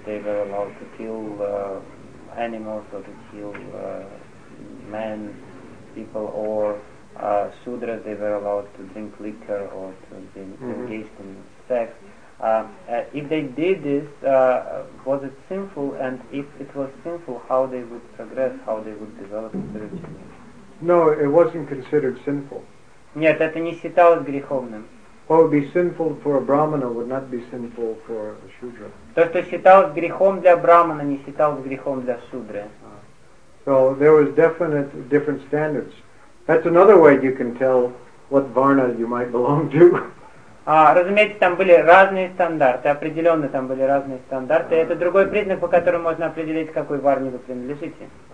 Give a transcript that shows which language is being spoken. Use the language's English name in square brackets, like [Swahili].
[English] They were allowed to kill animals or to kill men, people, or shudras, they were allowed to drink liquor or to be engaged in sex. If they did this, was it sinful? And if it was sinful, how they would progress, how they would develop spiritually? No, it wasn't considered sinful. [Russian] Нет, это не считалось греховным. [English] What would be sinful for a brahmana would not be sinful for a shudra. [Russian] То, что считалось грехом для брахмана, не считалось грехом для шудры. [English] So there was definite different standards. That's another way you can tell what varna you might belong to. [Russian] А, разумеется, там были разные стандарты, определенно там были разные стандарты. Это другой признак, по которому можно определить, какой варне вы принадлежите.